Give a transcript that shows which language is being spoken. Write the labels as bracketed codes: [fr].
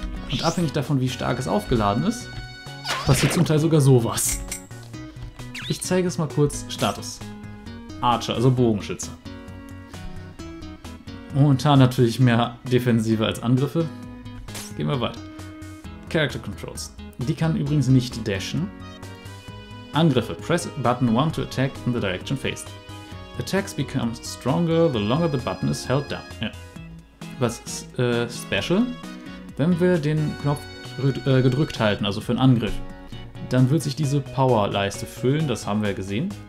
[de] Und abhängig davon, wie stark es aufgeladen ist, passiert zum Teil sogar sowas. Ich zeige es mal kurz. Status. Archer, also Bogenschütze. Momentan natürlich mehr Defensive als Angriffe. Gehen wir weiter. Character Controls. Die kann übrigens nicht dashen. Angriffe. [en] Press button 1 to attack in the direction faced. Attacks become stronger the longer the button is held down. [de] Ja. Was ist special? Wenn wir den Knopf gedrückt halten, also für einen Angriff, dann wird sich diese Power-Leiste füllen, das haben wir ja gesehen.